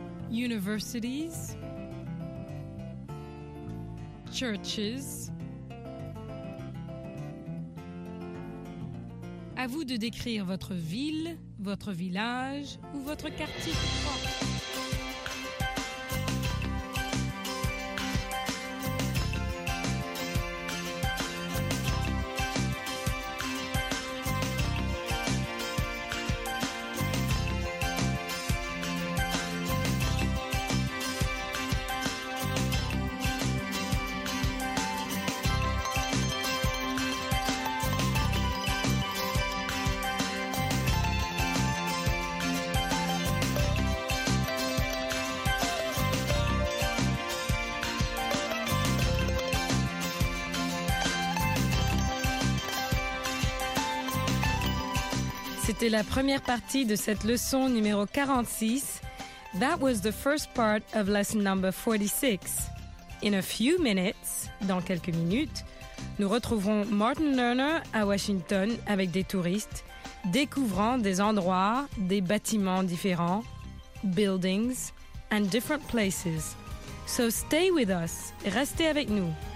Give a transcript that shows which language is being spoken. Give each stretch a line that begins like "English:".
English: Universities, churches.
French: À vous de décrire votre ville, votre village ou votre quartier. C'était la première partie de cette leçon numéro 46.
English: That was the first part of lesson number 46.
French: In a few minutes, dans quelques minutes, nous retrouverons Martin Lerner à Washington avec des touristes, découvrant des endroits, des bâtiments différents,
English: buildings, and different places. So stay with us,
French: restez avec nous.